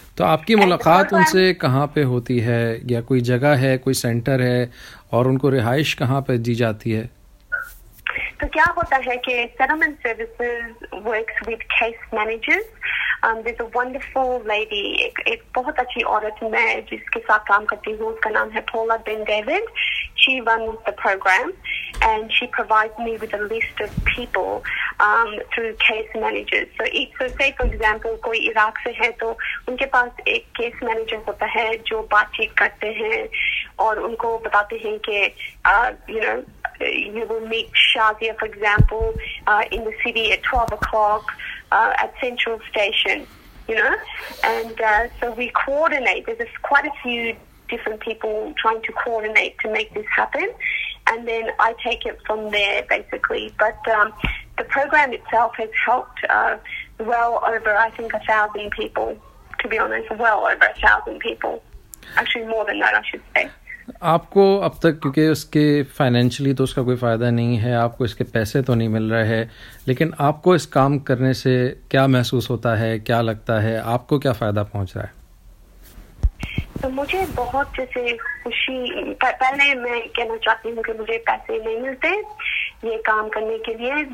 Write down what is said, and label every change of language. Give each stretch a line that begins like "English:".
Urdu: تو آپ کی ملاقات ان سے کہاں پہ ہوتی ہے, یا کوئی جگہ ہے, کوئی سینٹر ہے, اور ان کو رہائش کہاں پہ دی جاتی ہے؟ تو کیا ہوتا ہے کہ
English: Settlement services works with case managers. There is a wonderful lady,
Urdu: ایک بہت اچھی عورت میں جس کے ساتھ کام کرتی ہوں, اس کا نام ہے پولا بن David.
English: She won the program and she provide me with a list of people through case managers.
Urdu: سو ایک فار ایگزامپل, کوئی عراق سے ہے تو ان کے پاس ایک کیس مینیجر ہوتا ہے جو بات چیت کرتے ہیں اور ان کو بتاتے ہیں کہ
English: You know you will meet Shazia, for example, in the city at 12 o'clock at Central Station, you know. And so we coordinate. There's quite a few different people trying to coordinate to make this happen. And then I take it from there, basically. But the program itself has helped well over, I think, 1,000 people, to be honest, well over 1,000 people. Actually, more than that, I should say.
Urdu: آپ کو اب تک, کیونکہ اس کے financially تو اس کا کوئی فائدہ نہیں ہے, آپ کو اس کے پیسے تو نہیں مل رہے, لیکن آپ کو اس کام کرنے سے کیا محسوس ہوتا ہے, کیا لگتا ہے, آپ کو کیا فائدہ پہنچ رہا ہے؟ تو مجھے بہت جیسے خوشی, پہلے میں کہنا چاہتی ہوں کہ مجھے پیسے نہیں ملتے یہ کام کرنے کے لیے.